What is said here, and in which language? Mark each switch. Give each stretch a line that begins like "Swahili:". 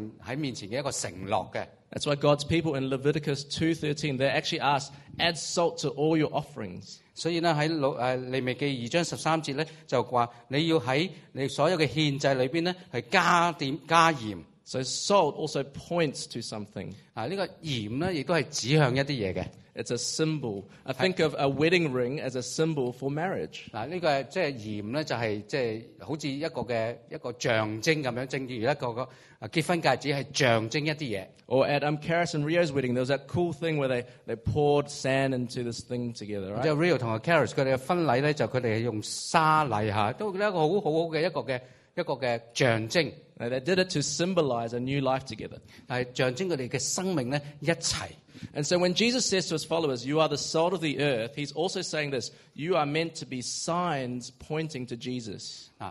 Chinese: 還有對神來說,鹽是表示我們忠誠,是一個完成我們對神在面前的一個承諾。
English: That's why God's people in Leviticus 2:13, they actually ask, add salt to all your offerings.
Chinese: 所以在利未記2:13節,就說你要在所有的獻祭裡面加鹽。
English: So salt also points to something.
Chinese: 这个盐呢,
English: it's a symbol. I think of a wedding ring as a symbol for marriage.
Chinese: 这个盐呢,就是好像一个象征,正如一个结婚戒指是象征一些东西。
English: Or at Karis and Rio's wedding, there was that cool thing where they poured sand into this thing together, right?
Chinese: Rio和Karis的婚礼,他们用沙泥,都是一个很好的一个
English: They did it to symbolize a new life together. And so when Jesus says to his followers, you are the salt of the earth, he's also saying this, you are meant to be signs pointing to Jesus.